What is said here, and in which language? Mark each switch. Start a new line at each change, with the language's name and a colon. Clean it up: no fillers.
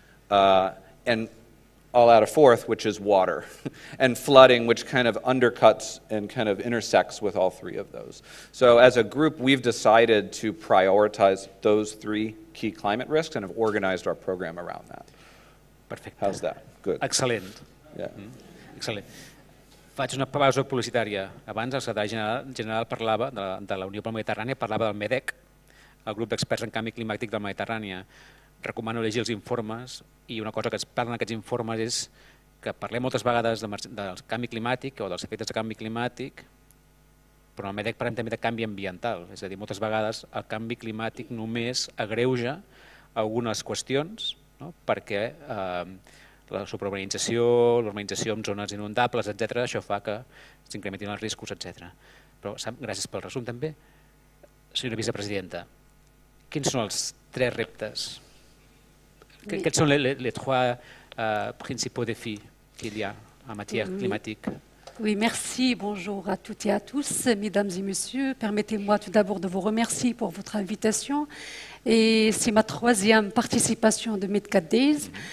English: And I'll add a fourth, which is water, and flooding, which kind of undercuts and kind of intersects with all three of those. So as a group, we've decided to prioritize those three key climate risks and have organized our program around that. Perfect. How's that? Good. Excellent. Yeah. Excellent.
Catalan: Faig una pausa publicitària. Abans el secretari general parlava de la Unió per la Mediterrània, parlava del MEDEC, el grup d'experts en canvi climàtic de la Mediterrània. Recomano llegir els informes, i una cosa que es parla en aquests informes és que parlem moltes vegades del canvi climàtic o dels efectes de canvi climàtic, però en el MEDEC parlem també de canvi ambiental, és a dir, moltes vegades el canvi climàtic només agreuja algunes qüestions, no? Perquè la suburbanització, l'urbanització en zones inundables, etc., això fa que s'incrementin els riscos, etc. Però gràcies pel resum també. Senyora vicepresidenta, quins són els 3 reptes?
French: Quels són les 3 principaux défis qu'il y a en matière climatique? Oui, merci, bonjour à toutes et à tous, mesdames et messieurs. Permettez-moi tout d'abord de vous remercier pour votre invitation et c'est ma troisième participation de Mid 4 Days.